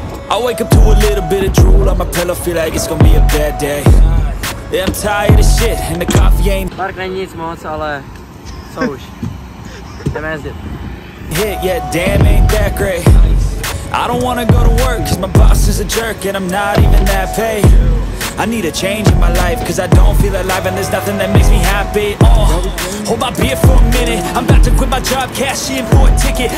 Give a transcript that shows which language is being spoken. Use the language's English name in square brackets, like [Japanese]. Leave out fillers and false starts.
[English] I wake up to a little bit of drool on my pillow, feel like it's gonna be a bad day. Yeah, I'm tired of shit and the coffee ain't... [Czech] Park není nic moc, ale co už. Jdeme jezdit. [English] Hit, yeah, damn, ain't that great. I don't wanna go to work, cause my boss is a jerk, and I'm not even that paid. I need a change in my life, cause I don't feel alive, and there's nothing that makes me happy. Hold my beer for a minute, I'm about to quit my job, cash in for a ticket.